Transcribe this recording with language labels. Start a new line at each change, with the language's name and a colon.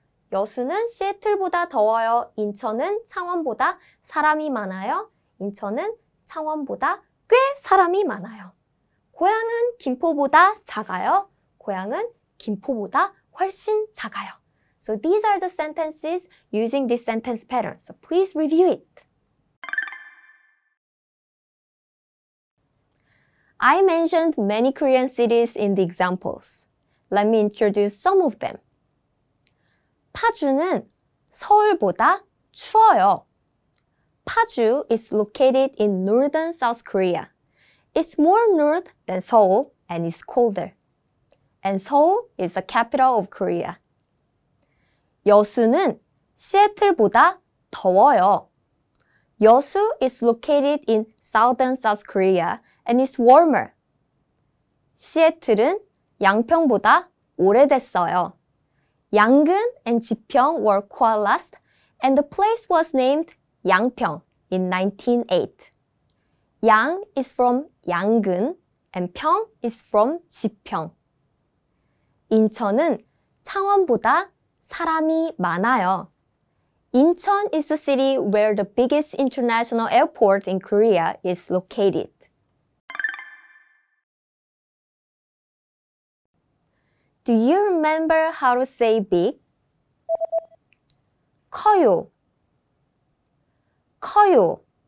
Korean: 여수는 시애틀보다 더워요. 인천은 창원보다 사람이 많아요. 인천은 창원보다 꽤 사람이 많아요. 고향은 김포보다 작아요. 고향은 김포보다 훨씬 작아요.
English: So these are the sentences using this sentence pattern. So please review it. I mentioned many Korean cities in the examples. Let me introduce some of them.
Korean: 파주는 서울보다 추워요.
English: 파주 is located in northern South Korea. It's more north than Seoul and it's colder. And Seoul is the capital of Korea.
Korean: 여수는 시애틀보다 더워요.
English: 여수 is located in southern South Korea and it's warmer.
Korean: 시애틀은 양평보다 오래됐어요.
English: 양근 and 지평 were coalesced and the place was named 양평 in 1908. 양 is from 양근 and 평 is from 지평.
Korean: 인천은 창원보다 사람이 많아요.
English: Incheon is the city where the biggest international airport in Korea is located. 도 you remember how to say big?
Korean: 커요. 커요.